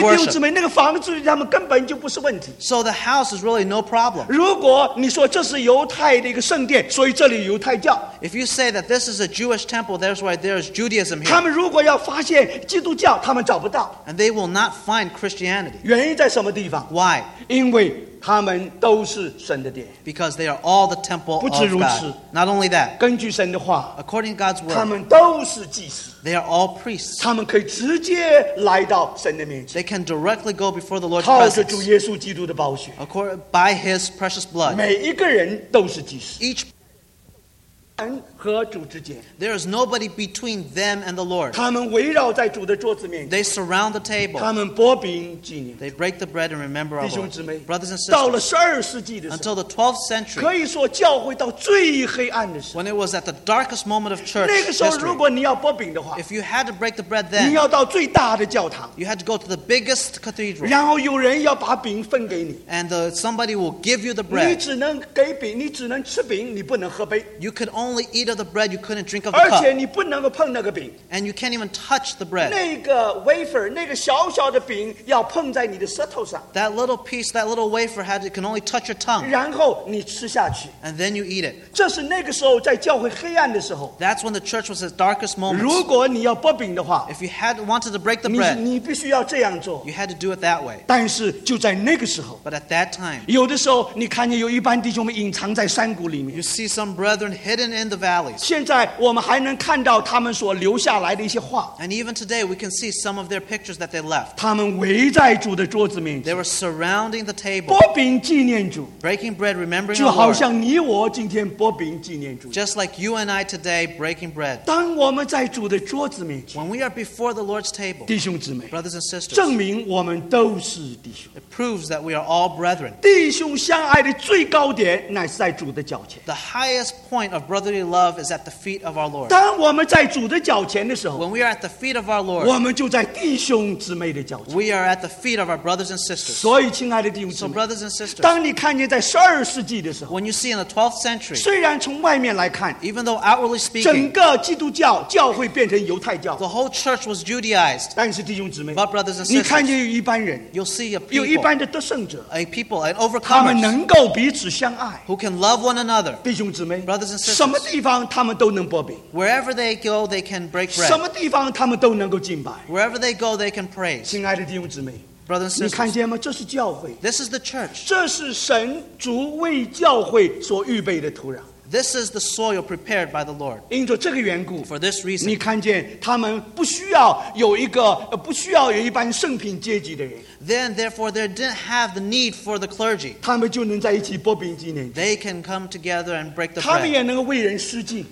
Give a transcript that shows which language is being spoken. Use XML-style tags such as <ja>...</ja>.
<zh>所以弟兄姊妹, 那个房子他们根本就不是问题, 问题。</zh> <en>So the house is really no problem.</en> <zh>如果你说这是犹太的一个圣殿，所以这里犹太教。</zh> <en>If you say that this is a Jewish temple, that's why there's Judaism here.</en> <zh>他们如果要发现基督教，他们找不到。</zh> <en>And they will not find Christianity.</en> <zh>原因在什么地方？</zh> <en>Why?</en> <zh>因为他们都是神的殿。</zh> <en>Because they are all the temple of God.</en> <zh>不止如此。</zh> <en>Not only that.</en> <zh>根据神的话，</zh> <en>According to God's word,</en> <zh>他们都是祭司。</zh> <en>They are all priests.</en> <zh>他们可以直接来到神的面前。</zh> <en>They can directly go before the Lord's presence.</en> <zh>靠着主耶稣基督的宝血。</zh> <en>According, by his precious blood.</en> <zh>每一个人都是祭司。</zh> <en>Each</en> <zh>人和主之间。</zh> <en>There is nobody between them and the Lord.</en> <zh>他们围绕在主的桌子面前。</zh> <en>They surround the table.</en> <zh>他们擘饼纪念。</zh> <en>They break the bread and remember our Lord.</en> <zh>弟兄姊妹，</zh> <en>Brothers and sisters,</en> <zh>到了十二世纪的时候，</zh> <en>Until the 12th century,</en> <zh>可以说教会到最黑暗的时候，</zh> <en>When it was at the darkest moment of church history,</en> <zh>那个时候如果你要擘饼的话，</zh> <en>If you had to break the bread then,</en> <zh>你要到最大的教堂，</zh> <en>You had to go to the biggest cathedral.</en> <zh>然后有人要把饼分给你，</zh> <en>And somebody will give you the bread.</en> <zh>你只能给饼，你只能吃饼，你不能喝杯。</zh> <en>You could only eat of the bread, you couldn't drink of the cup.</en> <zh>而且你不能够碰那个饼。</zh> <en>And you can't even touch the bread.</en> <zh>那个 wafer, 那个小小的饼要碰在你的舌头上。</zh> <en>That little piece, that little wafer had, it can only touch your tongue.</en> <zh>然后你吃下去。</zh> <en>And then you eat it.</en> <zh>这是那个时候在教会黑暗的时候。</zh> <en>That's when the church was at its darkest moment.</en> <zh>如果你要擘饼的话，</zh> <en>If you had wanted to break the bread,</en> <zh>你必须要这样做。</zh> <en>You had to do it that way.</en> <zh>但是就在那个时候，</zh> <en>But at that time,</en> <zh>有的时候你看见有一般弟兄们隐藏在山谷里面。</zh> <en>You see some brethren hidden in the valley.</en> <zh>现在我们还能看到他们所留下来的一些画。</zh> <en>And even today we can see some of their pictures that they left.</en> <zh>他们围在主的桌子面前。</zh> <en>They were surrounding the table.</en> <zh>擘饼纪念主。</zh> <en>Breaking bread, remembering the Lord.</en> <zh>就好像你我今天擘饼纪念主。</zh> <en>Just like you and I today breaking bread.</en> <zh>当我们在主的桌子面前。</zh> <en>When we are before the Lord's table.</en> <zh>弟兄姊妹。</zh> <en>Brothers and sisters.</en> <zh>证明我们都是弟兄。</zh> <en>It proves that we are all brethren.</en> <zh>弟兄相爱的最高点乃是在主的脚前。</zh> <en>The highest point of brotherly love is at the feet of our Lord.</en> <zh>当我们在主的脚前的时候，</zh> <en>When we are at the feet of our Lord,</en> <zh>我们就在弟兄姊妹的脚前。</zh> <en>We are at the feet of our brothers and sisters.</en> <zh>所以亲爱的弟兄姊妹，</zh> <en>So brothers and sisters,</en> <zh>当你看见在十二世纪的时候，</zh> <en>When you see in the 12th century,</en> <zh>虽然从外面来看，</zh> <en>Even though outwardly speaking,</en> <zh>整个基督教教会变成犹太教，</zh> <en>The whole church was Judaized.</en> <zh>但是弟兄姊妹，</zh> <en>But brothers and sisters,</en> <zh>你看见有一般人，</zh> <en>You'll see a people,</en> <zh>有一般的得胜者，</zh> <en>A people, an overcomer,</en> <zh>他们能够彼此相爱，</zh> <en>Who can love one another.</en> <zh>弟兄姊妹，</zh> <en>Brothers and sisters,</en> <zh>什么地方他们都能擘饼。</zh> <en>Wherever they go, they can break bread.</en> <zh>什么地方他们都能够敬拜。</zh> <en>Wherever they go, they can praise.</en> <zh>亲爱的弟兄姊妹，</zh> <en>Brothers and sisters,</en> <zh>你看见吗？这是教会。</zh> <en>This is the church.</en> <zh>这是神主为教会所预备的土壤。</zh> <en>This is the soil prepared by the Lord.</en> <zh>因着这个缘故，</zh> <en>For this reason,</en> <zh>你看见他们不需要有一个，不需要有一般圣品阶级的人。</zh> <en>Then, therefore, they didn't have the need for the clergy. They can come together and break the bread.</en>